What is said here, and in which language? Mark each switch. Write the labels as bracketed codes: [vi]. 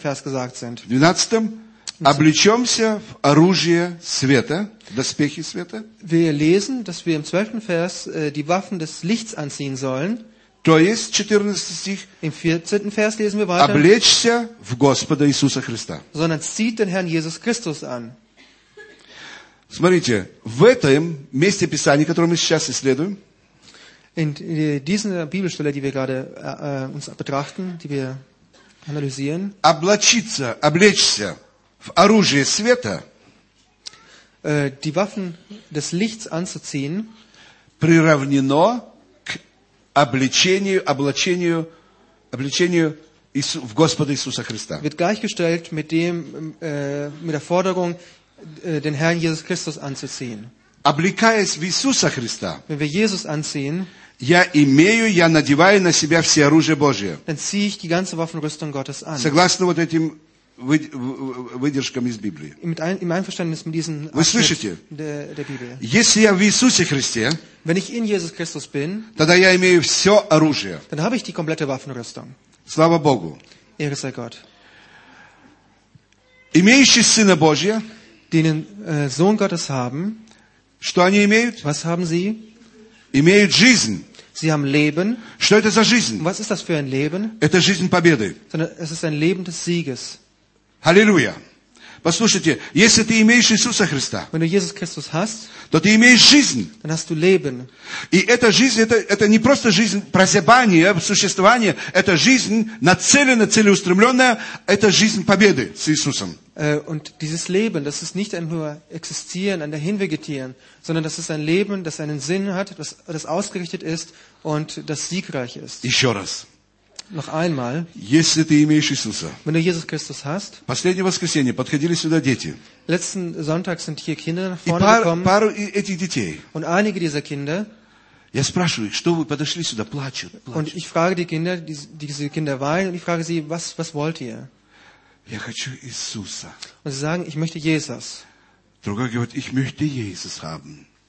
[de] Vers gesagt sind. 12. [ru] Облечемся в оружие света, доспехи света. [de] Wir lesen, dass wir im 12. Vers die Waffen des Lichts anziehen sollen. [ru] То есть, 14. стих. [de] Im 14. Vers lesen wir weiter. [ru] Облечься в Господа Иисуса Христа. [de] Sondern zieht den Herrn Jesus Christus an. [ru] Смотрите, в этом месте Писания, которое мы сейчас исследуем, [de] in dieser Bibelstelle, die wir gerade uns betrachten, die wir analysieren, [ru] облачиться, облечься в оружие света, [de] die Waffen des Lichts anzuziehen, [ru] приравнено к облачению в Господа Иисуса Христа. [de] Wird gleichgestellt mit dem mit der Forderung, den Herrn Jesus Christus anzuziehen. [ru] Облекаясь в Иисуса Христа, [de] wenn wir Jesus anziehen, [ru] я имею, я надеваю на себя все оружие Божие. [de] Dann ziehe ich die ganze Waffenrüstung Gottes an. [ru] Согласно вот этим выдержкам из Библии. [de] Im Einverständnis mit diesen Abschnitt. [ru] Вы слышите? [de] Der Bibel. [ru] Если я в Иисусе Христе, [de] wenn ich in Jesus Christus bin, [ru] тогда я имею все оружие. [de] Dann habe ich die komplette Waffenrüstung. [ru] Слава Богу. [de] Ehre sei Gott. [ru] Имеющий Сына Божия, [de] denen Sohn Gottes haben, [ru] что они имеют? [de] Was haben sie? [ru] Имеют жизнь. [de] Sie haben Leben. [ru] Что это за жизнь? [de] Was ist das für ein Leben? [ru] Это жизнь победы. [de] Sondern es ist ein Leben des Sieges. Halleluja. [ru] Послушайте, если ты имеешь Иисуса Христа, [de] wenn du Jesus Christus hast, [ru] то ты имеешь жизнь. [de] Dann hast du Leben. [ru] И эта жизнь, это не просто жизнь прозябания, существования, это жизнь нацеленная, целеустремленная, это жизнь победы с Иисусом. [de] Und dieses Leben, das ist nicht nur existieren, an der Hinvegetieren, sondern das ist ein Leben, das einen Sinn hat, das ausgerichtet ist und das siegreich ist. [ru] Еще раз. [de] Noch einmal. [ru] Если ты имеешь Иисуса. [de] Wenn du Jesus Christus hast. [ru] Последнее воскресенье подходили сюда дети. [de] Letzten Sonntag sind hier Kinder nach vorne gekommen. [ru] Пару этих детей. [de] Und einige dieser Kinder. [ru] Я спрашиваю их, что вы подошли сюда, плачут. [de] Und ich frage die Kinder, diese Kinder weinen, und ich frage sie, was wollt ihr? [ru] Я хочу Иисуса. [de] Und sie sagen, ich möchte Jesus. [ru] Другой говорит, [de] ich möchte Jesus haben.